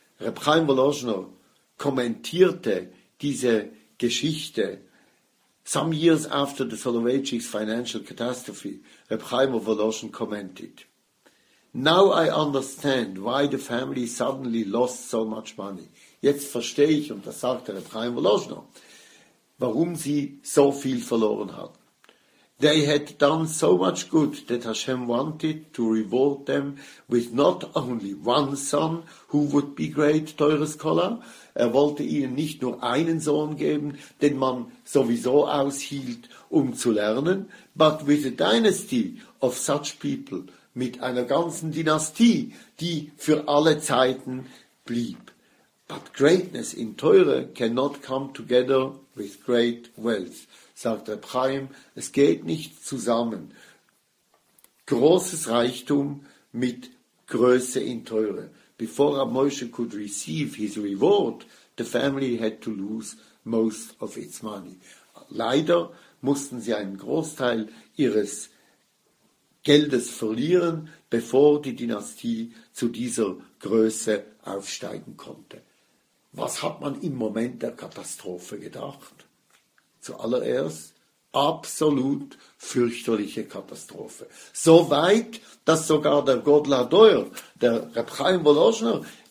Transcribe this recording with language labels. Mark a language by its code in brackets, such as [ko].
[en] Reb Chaim Woloschner [de] kommentierte diese Geschichte [en] some years after the Soloveitchik's financial catastrophe, Reb Chaim of Voloshin commented, now I understand why the family suddenly lost so much money. [de] Jetzt verstehe ich, und das sagte Reb Chaim Woloshin, warum sie so viel verloren hatten. [en] They had done so much good that Hashem wanted to reward them with not only one son who would be great, teure Scholar. [de] Er wollte ihnen nicht nur einen Sohn geben, den man sowieso aushielt, um zu lernen, [en] but with a dynasty of such people, [de] mit einer ganzen Dynastie, die für alle Zeiten blieb. [en] But greatness in Teure cannot come together with great wealth, [de] sagt Reb Chaim, es geht nicht zusammen. Großes Reichtum mit Größe in Teure. [en] Before Reb Moshe could receive his reward, the family had to lose most of its money. [de] Leider mussten sie einen Großteil ihres Geldes verlieren, bevor die Dynastie zu dieser Größe aufsteigen konnte. Was hat man im Moment der Katastrophe gedacht? Zuallererst absolut fürchterliche Katastrophe. So weit, dass sogar der Godel Hador, der Reb Chaim Woloschner,